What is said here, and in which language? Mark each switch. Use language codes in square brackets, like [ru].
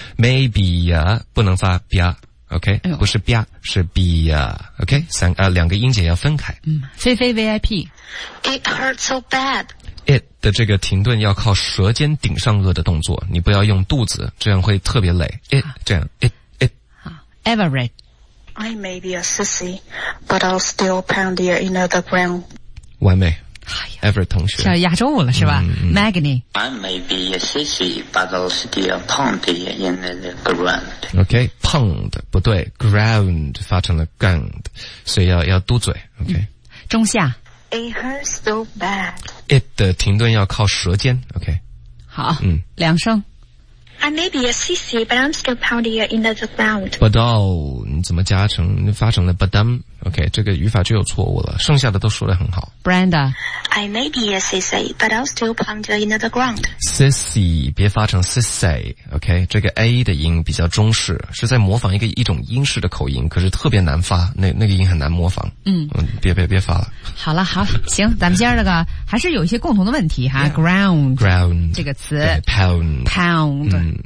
[zh] Maybe, 不能发 bia, OK,、哎、不是 bia, 是 bia, OK, 两个音节要分开。嗯非非 VIP。 [en] It hurts so bad. [zh] It 的这个停顿要靠舌尖顶上颚的动作，你不要用肚子，这样会特别累。It 这样 ，It [en] Everett. I may be a sissy, but I'll still pound you in the ground. [zh] 完美。Everett 同学。像压中午了是吧、Magni. [en] I may be a sissy, but I'll still pound you in the ground. [zh] OK, pound, 不对 ,ground 发成了 gound, 所以 要嘟嘴。OK、中下。 [en] It hurts so bad. [zh] It 的停顿要靠舌尖 ,OK。好两声。 [en] I may be a sissy, but I'm still pounding in the ground. [zh] But all, 你怎么加成发成了 but I'm,OK, 这个语法就有错误了剩下的都说得很好。 [en] Brenda, I may be a sissy, but I'm still pounding in the ground. Sissy, [zh] 别发成 [en] sissy,OK,、okay? [zh] 这个 A 的音比较中式是在模仿一种英式的口音可是特别难发那个音很难模仿。别发了。好了好行咱们今儿这个还是有一些共同的问题哈、 [en] yeah, [zh] ground, 这个词。 [en] Pound,